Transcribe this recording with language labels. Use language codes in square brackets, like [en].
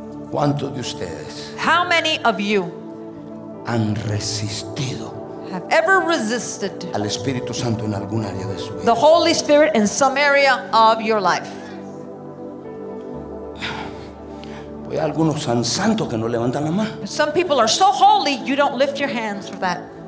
[es] ¿Cuántos de ustedes? [en] How many of you? [es] Han resistido. [en] Have ever resisted [es] al Espíritu Santo en algún área de su vida. [en] The Holy Spirit in some area of your life. [es] Hay algunos santos que no levantan la mano. [en] Some people are so holy you don't lift your hands for that.